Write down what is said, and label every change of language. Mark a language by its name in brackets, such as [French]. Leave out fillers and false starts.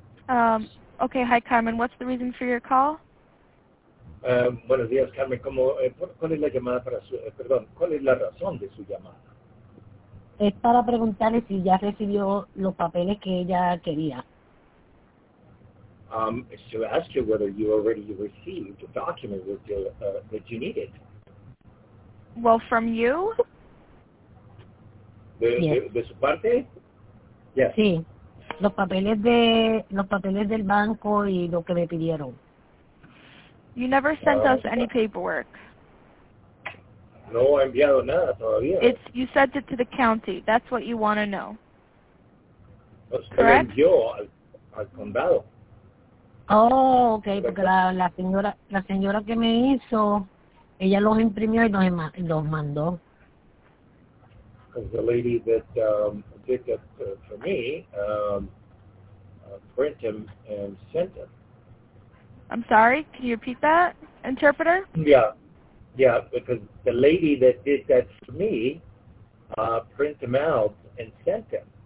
[English] Okay, hi, Carmen. What's the reason for your call? [Spanish] Buenos días, Carmen. ¿Cuál es la llamada para su... ¿cuál es la razón de su llamada? Es para preguntarle si ya recibió los papeles que ella quería. [English] It's to ask you whether you already received the document that you, needed. Well, from you? [Spanish] De su parte? [English] Yes. [Spanish] Sí. Los papeles del banco y lo que me pidieron. [English] You never sent us any paperwork. [Spanish] No he enviado nada todavía. [English] It's you sent it to the county. That's what you want to know. [Spanish] Usted [English] correct? [Spanish] Envió al condado. [English] Oh, okay. [Spanish] Porque la señora que me hizo, ella los imprimió y los mandó. [English] Because the lady that did it for me print them and sent them. I'm sorry, can you repeat that, interpreter? Yeah, because the lady that did that for me print them out and sent them.